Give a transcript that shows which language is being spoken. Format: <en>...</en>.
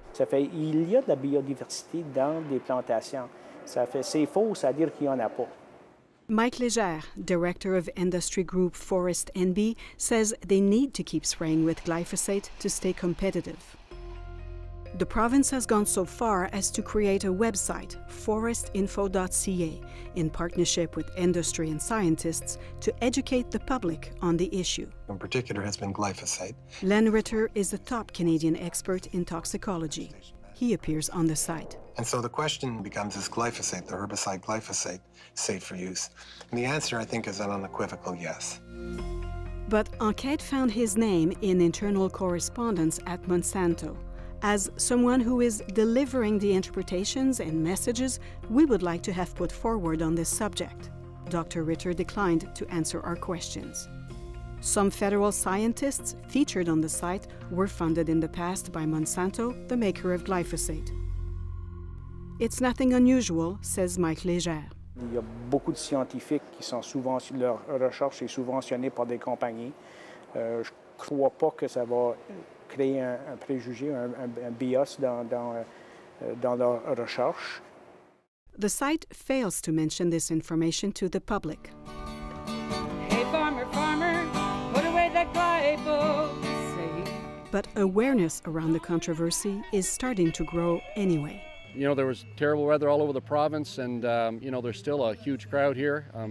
<fr>Ça fait il y a de la biodiversité dans des plantations. Ça fait c'est faux, ça veut dire qu'il y en a pas.</fr> <en>Mike Légère, director of industry group Forest NB, says they need to keep spraying with glyphosate to stay competitive. The province has gone so far as to create a website, forestinfo.ca, in partnership with industry and scientists to educate the public on the issue. In particular, has been glyphosate. Len Ritter is a top Canadian expert in toxicology. He appears on the site. And so the question becomes, is glyphosate, the herbicide glyphosate, safe for use? And the answer, I think, is an unequivocal yes. But Enquête found his name in internal correspondence at Monsanto as someone who is delivering the interpretations and messages we would like to have put forward on this subject. Dr. Ritter declined to answer our questions. Some federal scientists featured on the site were funded in the past by Monsanto, the maker of glyphosate. It's nothing unusual, says Mike Légère.</en> <fr>Il y a beaucoup de scientifiques qui sont souvent, leur recherche est subventionnée par des compagnies. Je crois pas que ça va créer un préjugé, un bias dans leur recherche.</fr> <en>The site fails to mention this information to the public. Hey farmer, farmer, put away that glyphosate. But awareness around the controversy is starting to grow anyway. You know, there was terrible weather all over the province, and you know, there's still a huge crowd here.</en>